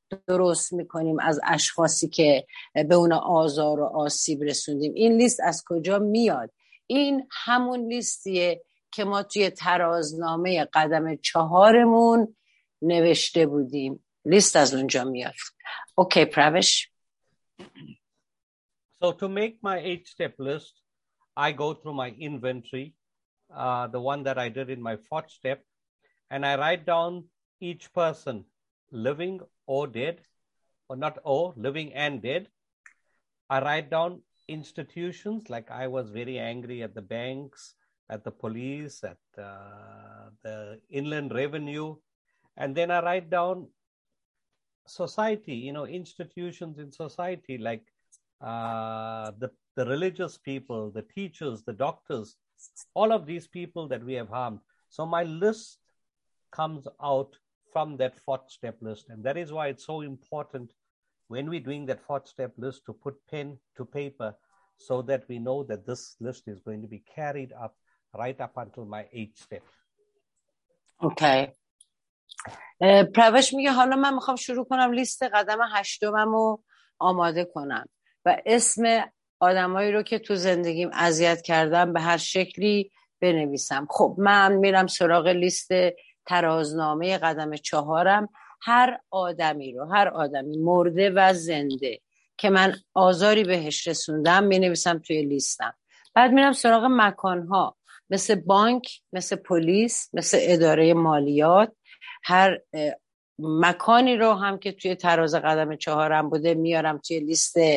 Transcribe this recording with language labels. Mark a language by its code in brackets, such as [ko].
[fa] درست میکنیم از اشخاصی که به اون آزار و آسیب رسوندیم این لیست از کجا میاد این همون لیستیه که ما توی ترازنامه قدم چهارمون نوشته بودیم لیست از اونجا میاد اوکی پروش [en] So to make my 8-step list I go through my inventory the one that I did in my 4th step and I write down each person living or dead, or not or, living and dead. I write down institutions, like I was very angry at the banks, at the police, at the Inland Revenue. And then I write down society, you know, institutions in society, like the religious people, the teachers, the doctors, all of these people that we have harmed. So my list comes out from that 4-step list. And that is why it's so important when we're doing that 4-step list to put pen to paper so that we know that this list is going to be carried up right up until my 8th step. Okay. [fa] پروش میگه حالا من میخوام شروع کنم لیست قدم هشتمم رو آماده کنم و اسم آدمایی رو که تو زندگیم اذیت کردم به هر شکلی بنویسم. خب من میرم سراغ لیست ترازنامه قدم چهارم هر آدمی مرده و زنده که من آزاری بهش رسوندم می نویسم توی لیستم بعد میرم سراغ مکانها مثل بانک مثل پلیس مثل اداره مالیات هر مکانی رو هم که توی تراز قدم چهارم بوده میارم توی لیست